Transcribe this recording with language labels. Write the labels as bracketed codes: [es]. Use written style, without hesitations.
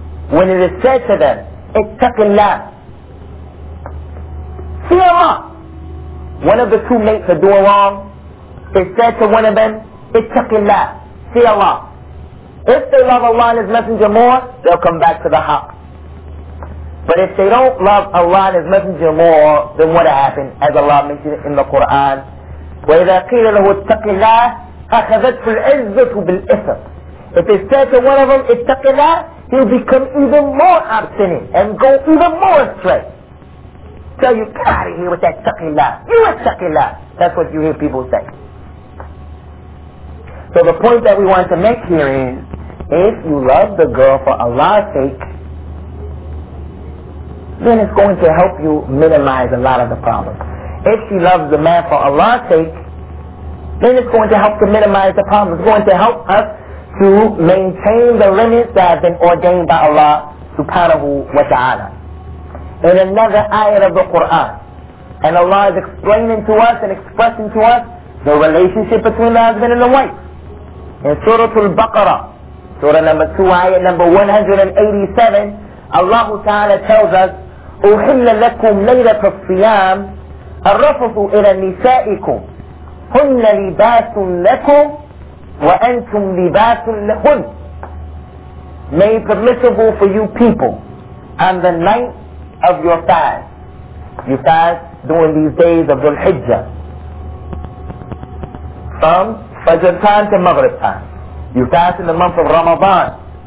[en] When it is said to them, ittaqillah, fear Allah. One of the two mates are doing wrong. It's said to one of them, ittaqillah, fear Allah. If they love Allah and His Messenger more, they'll come back to the haq. But if they don't love Allah and His Messenger more, then what happened? As Allah mentioned in the Quran, [ar] وَإِذَا قِيلَ لَهُ اتَّقِ اللَّهِ أَخَذَتْهُ الْعِزَّةُ بِالْإِثْمِ. [en] If it's said to one of them, [ar] اتَّقِ اللَّهِ, [en] he'll become even more obstinate and go even more astray. So you get out of here with that [ar] اتَّقِ اللَّهِ. [en] You [ar] اتَّقِ اللَّهِ. [en] That's what you hear people say. So the point that we want to make here is, if you love the girl for Allah's sake, then it's going to help you minimize a lot of the problems. If she loves the man for Allah's sake, then it's going to help to minimize the problems. It's going to help us to maintain the limits that have been ordained by Allah subhanahu wa ta'ala. In another ayat of the Quran, and Allah is explaining to us and expressing to us the relationship between the husband and the wife. In Surah Al-Baqarah, Surah number 2, ayat number 187, Allah Ta'ala tells us, [ar] أُحِلَّ لَكُمْ لَيْلَةَ الصِّيَامِ الرَّفَثُ إِلَى نِسَائِكُمْ هُنَّ لِبَاسٌ لَكُمْ وَأَنْتُمْ لِبَاسٌ لَهُنَّ. [en] Made permissible for you people on the night of your fast. You fast during these days of Dhul Hijjah. From Fajr time to Maghrib time. You fast in the month of Ramadan.